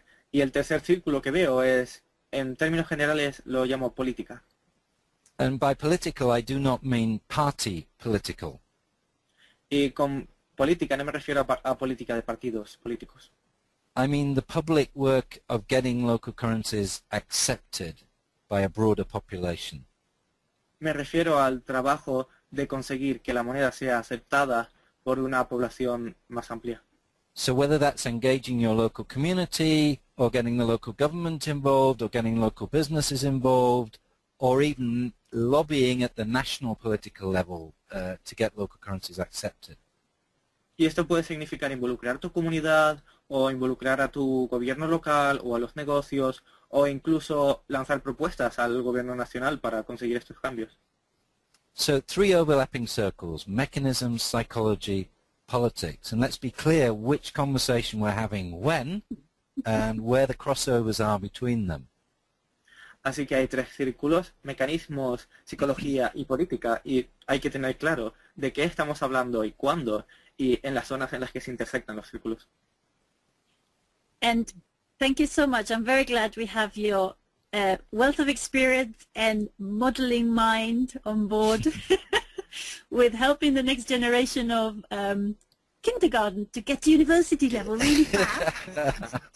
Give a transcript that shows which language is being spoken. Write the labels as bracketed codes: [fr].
[es] Y el tercer círculo que veo es, en términos generales, lo llamo política. [en] And by political, I do not mean party political. [es] Y con política no me refiero a política de partidos políticos. [en] I mean the public work of getting local currencies accepted by a broader population. [es] Me refiero al trabajo de conseguir que la moneda sea aceptada por una población más amplia. [en] So whether that's engaging your local community, or getting the local government involved, or getting local businesses involved, or even lobbying at the national political level, to get local currencies accepted. [es] Y esto puede significar involucrar a tu comunidad, o involucrar a tu gobierno local, o a los negocios, o incluso lanzar propuestas al gobierno nacional para conseguir estos cambios. [en] So three overlapping circles, mechanism, psychology, politics, and let's be clear which conversation we're having when and where the crossovers are between them. [es] Así que hay tres círculos: mecanismos, psicología y política, y hay que tener claro de qué estamos hablando y cuándo, y en las zonas en las que se intersectan los círculos. [en] And thank you so much. I'm very glad we have your wealth of experience and modeling mind on board with helping the next generation of kindergarten to get to university level really fast.